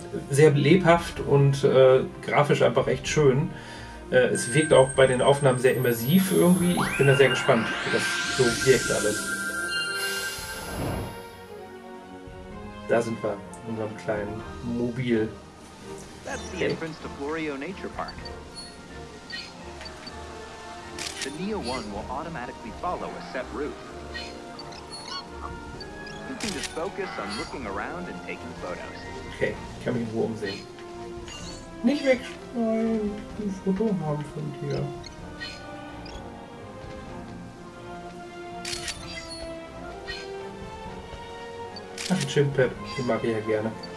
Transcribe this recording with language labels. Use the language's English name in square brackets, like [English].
[German] Sehr lebhaft und grafisch einfach echt schön. Es wirkt auch bei den Aufnahmen sehr immersiv irgendwie. Ich bin da sehr gespannt, wie das so wirkt alles. Da sind wir, in unserem kleinen Mobil. [English] That's the entrance to Florio Nature Park. The Neo One will automatically follow a set route. You can just focus on looking around and taking photos. [German] Okay, kann mich irgendwo umsehen. Nicht wegschneiden, ein Foto haben von dir. Ach, ein Chimpad, den mag ich ja gerne.